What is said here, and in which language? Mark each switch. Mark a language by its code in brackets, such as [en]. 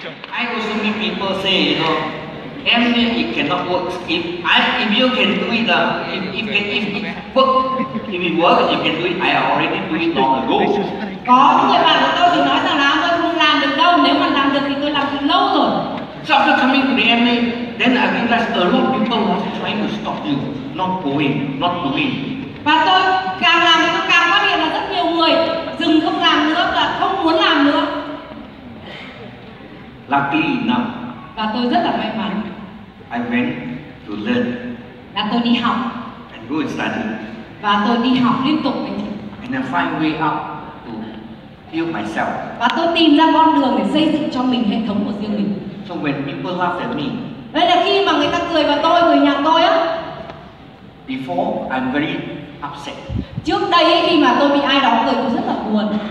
[en] I also meet people say, you know, Amway it cannot work. If you can do it, if it works, you can do it. I already do it long ago. [vi] Có những người bạn của tôi thì nói rằng là tôi không làm được đâu. Nếu mà làm được thì tôi làm từ lâu rồi. [en] So after coming to the Amway, And I think that a lot of people was trying to stop you, not going, not doing. [vi] Và tôi càng làm tôi càng phát hiện là rất nhiều người dừng không làm nữa và không muốn làm nữa. [en] Lucky enough. [vi] Và tôi rất là may mắn. [en] I went to learn. [vi] Là tôi đi học. [en] And go and study. [vi] Và tôi đi học liên tục. [en] And I find way out to heal myself. [vi] Và tôi tìm ra con đường để xây dựng cho mình hệ thống của riêng mình. [en] So when people laugh at me. [vi] Đây là khi mà người ta cười vào tôi, người nhà tôi á. [en] Before I'm very upset. [vi] Trước đây ấy, khi mà tôi bị ai đó cười tôi rất là buồn.